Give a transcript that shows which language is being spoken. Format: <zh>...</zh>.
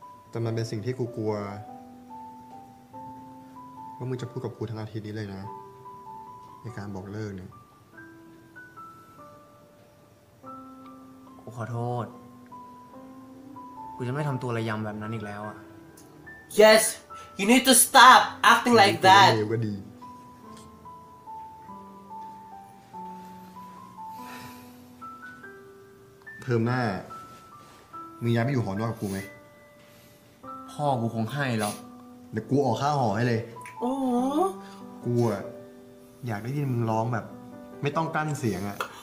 <th>แต่มันเป็นสิ่งที่กูกลัวว่ามึงจะพูดกับกูทั้งอาทิตย์นี้เลยนะในการบอกเลิกเนี่ย กูขอโทษกูจะไม่ทำตัวระยำแบบนั้นอีกแล้วอ่ะ</th> <en>Yes you need to stop acting like that</en> <th>ก็ดีเทอมหน้ามึงย้ายไปอยู่หอนอกกับกูไหม พ่อกูคงให้หรอก เดี๋ยวกูออกค่าหอให้เลย โอ้กูอะอยากได้ยินมึงร้องแบบไม่ต้องกั้นเสียงอะ</th>